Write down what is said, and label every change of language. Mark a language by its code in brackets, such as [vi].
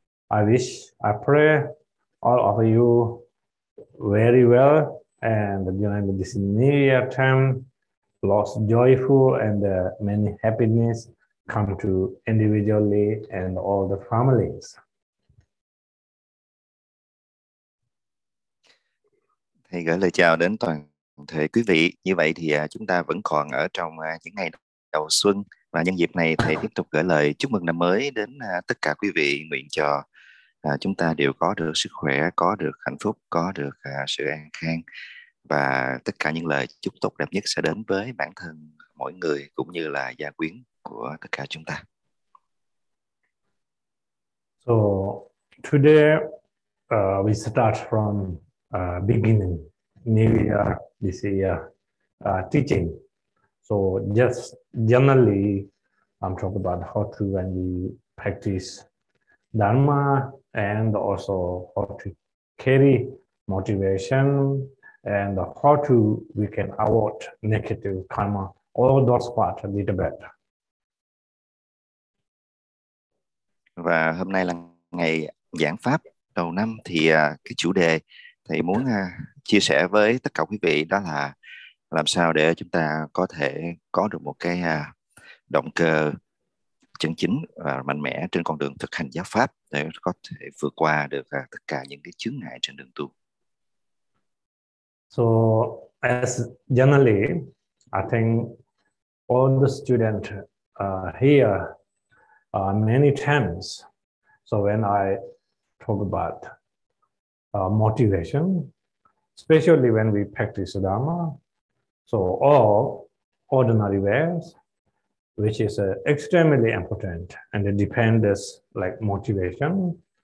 [en] I pray all of you very well and during this New Year time, lots joyful and many happiness come to individually and all the families. [vi] Thầy gửi lời chào đến toàn thể quý vị. Như vậy thì chúng ta vẫn còn ở trong những ngày đầu xuân. Và nhân dịp này, thầy tiếp tục gửi lời chúc mừng năm mới đến tất cả quý vị, nguyện cho chúng ta đều có được sức khỏe, có được hạnh phúc, có được sự an khang. Và tất cả những lời chúc tốt đẹp nhất sẽ đến với bản thân mỗi người cũng như là gia quyến của tất cả chúng ta. [en] So, today we start from beginning, new year, this year, teaching. So just generally, I'm talking about how to when we practice Dharma and also how to carry motivation and how to we can avoid negative karma, all those parts a little bit. [vi] Và hôm nay là ngày giảng pháp đầu năm thì cái chủ đề thầy muốn chia sẻ với tất cả quý vị đó là làm sao để chúng ta có thể có được một cái động cơ chân chính và mạnh mẽ trên con đường thực hành giáo pháp để có thể vượt qua được tất cả những cái chướng ngại trên đường tu. [en] So as generally, I think all the students here many times. So when I talk about motivation, especially when we practice Dharma, so all ordinary ways, which is extremely important and depends like motivation.